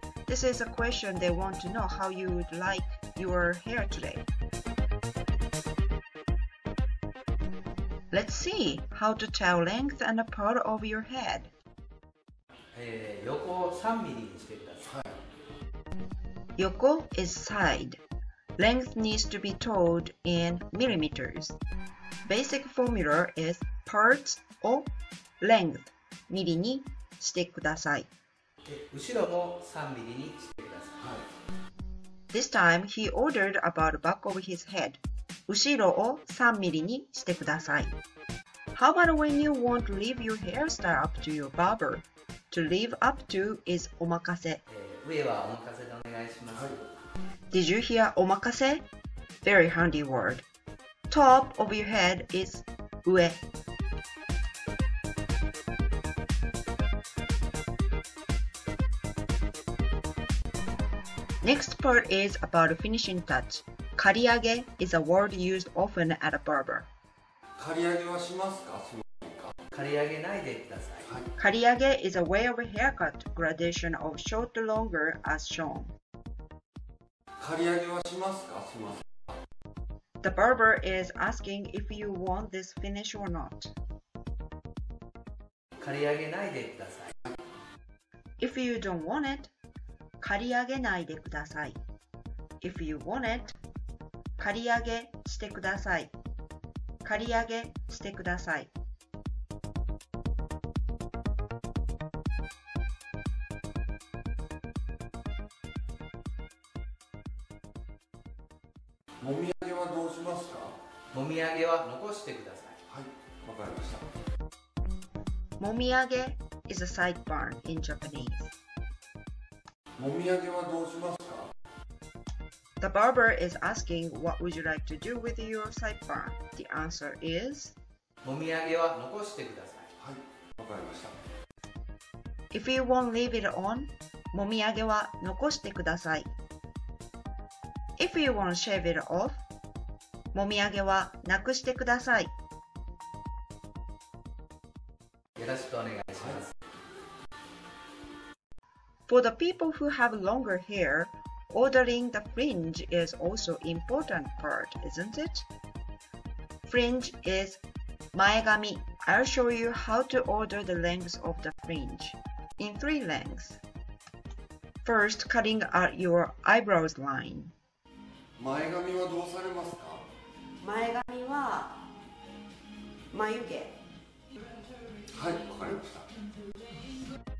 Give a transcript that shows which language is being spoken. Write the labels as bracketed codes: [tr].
[en] This is a question they want to know how you would like your hair today. Let's see how to tell length and a part of your head. [ja] 横3ミリにしてください。 [en] 横 is side. Length needs to be told in millimeters. Basic formula is part of length. [ja] ミリにしてください。後ろも3ミリにしてください。はい、 [en] This time he ordered about back of his head. [ja] 後ろを3ミリにしてください。 [en] How about when you want to leave your hairstyle up to your barber? To leave up to is お任せ。 [ja] 上はお任せでお願いします。 [en] Did you hear お任せ?Very handy word. Top of your head is 上。 Next part is about finishing touch. 刈り上げ is a word used often at a barber. [ja] 刈り上げはしますか? 刈り上げないでください。 [en] 刈り上げ is a way of haircut gradation of short to longer as shown. [ja] 刈り上げはしますか?すみません。 [en] The barber is asking if you want this finish or not. [ja] 刈り上げないでください。 [en] If you don't want it, [ja] 刈り上げないでください。 [en] If you want it, [ja] 刈り上げしてください。刈り上げしてください。もみあげはどうしますか? もみあげは残してください。はい、わかりました。 [en] もみあげ is a sideburn in Japanese. [ja] もみあげはどうしますか? [en] The barber is asking what would you like to do with your sideburn? The answer is [ja] もみあげは残してください。はい、わかりました。 [en] If you won't leave it on, [ja] もみあげは残してください。 [en] If you want to shave it off, [ja] もみあげはなくしてください。よろしくお願いします。 [en] For the people who have longer hair, ordering the fringe is also an important part, isn't it? Fringe is 前髪。I'll show you how to order the length of the fringe in three lengths. First, cutting out your eyebrows line. [ja] 前髪はどうされますか? 前髪は眉毛。はい、わかりました。